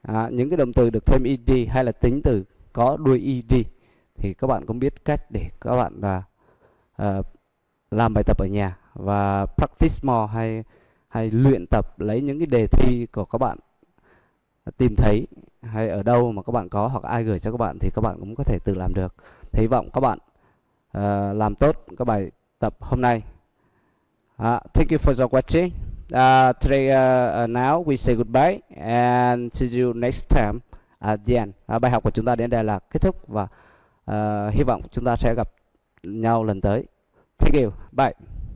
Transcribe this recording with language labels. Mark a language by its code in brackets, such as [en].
[vi] Những cái động từ được thêm ED hay là tính từ có đuôi ED thì các bạn cũng biết cách để các bạn làm bài tập ở nhà và [en] practice more [vi] hay luyện tập lấy những cái đề thi của các bạn tìm thấy hay ở đâu mà các bạn có hoặc ai gửi cho các bạn thì các bạn cũng có thể tự làm được. Hy vọng các bạn làm tốt các bài tập hôm nay. [en] Thank you for the watching. Today, now we say goodbye and see you next time at the end. [vi] Bài học của chúng ta đến đây là kết thúc và hy vọng chúng ta sẽ gặp nhau lần tới. [en] Thank you. Bye.